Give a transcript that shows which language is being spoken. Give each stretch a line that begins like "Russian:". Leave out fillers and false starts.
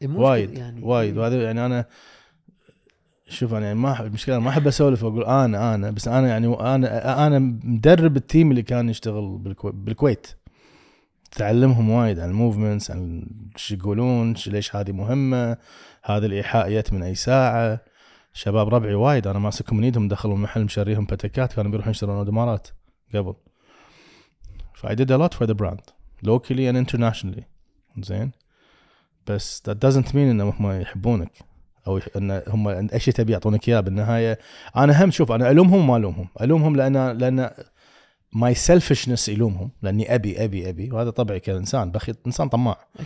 Arabic: وايد يعني وايد وهذا يعني أنا شوف أنا يعني ما المشكلة ما أحب أسولف وأقول أنا بس أنا يعني أنا مدرب التيم اللي كان يشتغل بالكويت تعلمهم وايد عن الموفمنتس عن شو يقولون ليش هذه مهمة هذا الإيحاء يأت من أي ساعة. شباب ربعي وايد أنا ماسكهم من يدهم دخلوا المحل مشاريهم باتكات كانوا بيروحون يشترون أودمارات قبل.
English: I did a lot for the brand locally and internationally.
Arabic: زين بس
English: that doesn't mean
Arabic: إن هم يحبونك أو إن هم إيش تبي يعطونك إياه بالنهاية. أنا هم شوف أنا ألومهم وما ألومهم، ألومهم لأن
English: my selfishness
Arabic: يلومهم لأني أبي أبي أبي وهذا طبعي كإنسان بخيل إنسان طماع.